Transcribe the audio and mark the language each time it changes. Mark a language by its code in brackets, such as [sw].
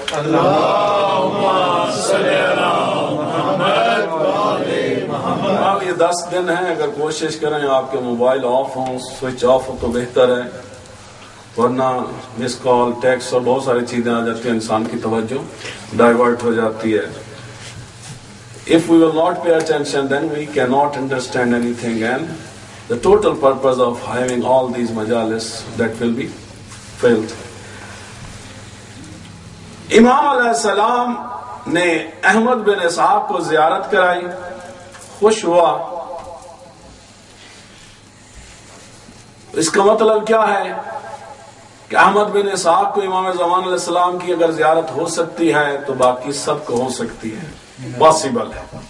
[ar] اللہم صلی علی محمد و آل محمد. [ur] اب یہ 10 دن ہیں, اگر کوشش کریں آپ کے موبائل آف ہوں, سوئچ آف ہو تو بہتر ہے, ورنہ مس کال, ٹیکس اور بہت ساری چیزیں آ جاتی ہیں, انسان کی توجہ ڈائیورٹ ہو جاتی ہے. [en] If we will not pay attention, then we cannot understand anything, and the total purpose of having all these majalis, that will be failed. [ur] امام علیہ السلام نے احمد بن اسحاق کو زیارت کرائی, خوش ہوا. اس کا مطلب کیا ہے کہ احمد بن اسحاق کو امام زمان علیہ السلام کی اگر زیارت ہو سکتی ہے تو باقی سب کو ہو سکتی ہے, پاسبل ہے.